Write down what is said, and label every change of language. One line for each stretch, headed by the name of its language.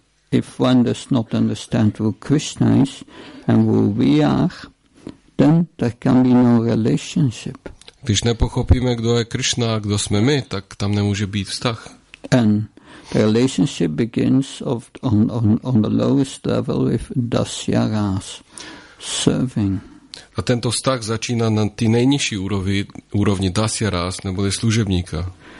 English: If one does not understand who Krishna is and who we are, then there can be no relationship.
Czech: Když nepochopíme, kdo je Krishna a kdo jsme my, tak tam nemůže být vztah.
English: And the relationship begins on the lowest level with dasyaras, serving.
Czech: A tento vztah začíná na ty nejnižší úrovni dasyaras, neboli služebníka.